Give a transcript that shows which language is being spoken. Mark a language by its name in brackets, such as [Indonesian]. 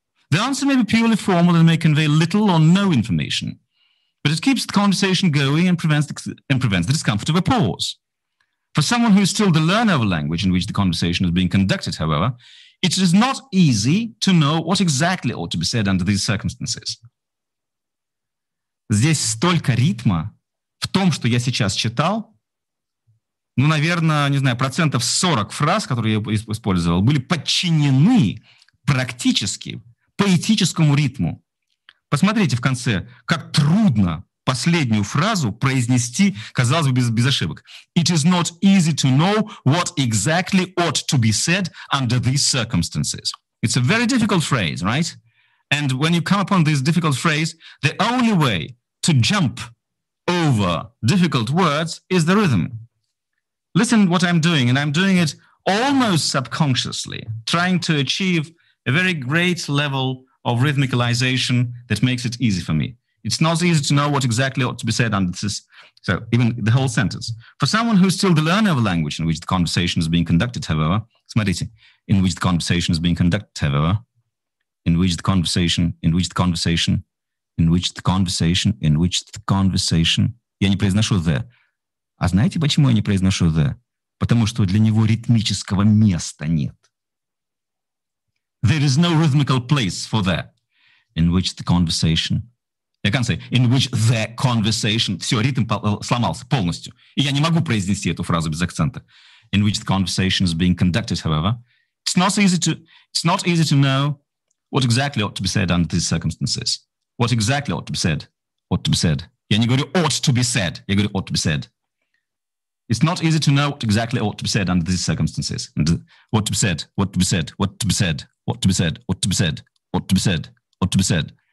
[English] The answer may be purely formal and may convey little or no information, but it keeps the conversation going and prevents the discomfort of a pause. For someone who is still the learner of a language in which the conversation is being conducted, however, it is not easy to know what exactly ought to be said under these circumstances. [Russian] Здесь столько ритма в том, что я сейчас читал. Ну, наверное, не знаю, процентов 40 фраз, которые я использовал, были подчинены практически поэтическому ритму. Посмотрите в конце, как трудно последнюю фразу произнести, казалось бы, без ошибок. [English] It is not easy to know what exactly ought to be said under these circumstances. It's a very difficult phrase, right? And when you come upon this difficult phrase, the only way to jump over difficult words is the rhythm. Listen what I'm doing, and I'm doing it almost subconsciously, trying to achieve a very great level of rhythmicalization that makes it easy for me. It's not easy to know what exactly ought to be said under this, so even the whole sentence. For someone who's still the learner of a language in which the conversation is being conducted, however, [Russian] смотрите, [English] in which the conversation is being conducted, however, in which the conversation, in which the conversation, in which the conversation, in which the conversation, [Russian] я не произношу [English] the. [Russian] А знаете, почему я не произношу the? Потому что для него ритмического места нет. [English] There is no rhythmical place for the, in which the conversation. Я can't say, in which the conversation, [Russian] все, ритм сломался полностью. И я не могу произнести эту фразу без акцента. [English] In which the conversation is being conducted, however, it's not easy to know what exactly ought to be said under these circumstances. What exactly ought to be said? Ought to be said. [Russian] Я не говорю [English] ought to be said. [Russian] Я говорю [English] ought to be said. It's not easy to know what exactly ought to be said under these circumstances. And what to be said, what to be said, what to be said, what to be said, what to be said, what to be said, what to be said.